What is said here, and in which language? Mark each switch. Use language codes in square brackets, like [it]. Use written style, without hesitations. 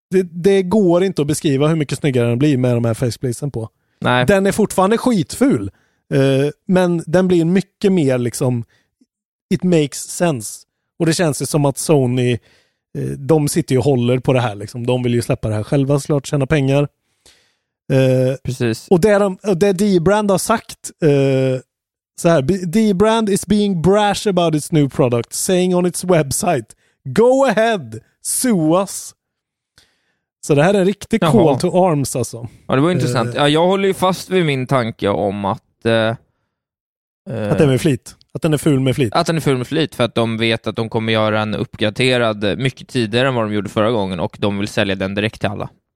[sv] Det går inte att beskriva hur mycket snyggare den blir med de här faceplaten på. Nej. Den är fortfarande skitful, men den blir mycket mer liksom, [en] it makes sense. [sv] Och det känns ju som att Sony, de sitter ju och håller på det här liksom. De vill ju släppa det här själva såklart, tjäna pengar. Precis. Och det D-brand har sagt, så här: [en] D-brand is being brash about its new product, saying on its website, go ahead, sue us. [sv] Så det här är en riktig call, jaha, [en] to arms [sv] alltså. Ja, det var intressant. Ja, jag håller ju fast vid min tanke om att att den är flit. Att den är ful med flit. Att den är ful med flit, för att de vet att de kommer göra en uppgraderad mycket tidigare än vad de gjorde förra gången, och de vill sälja den direkt till alla.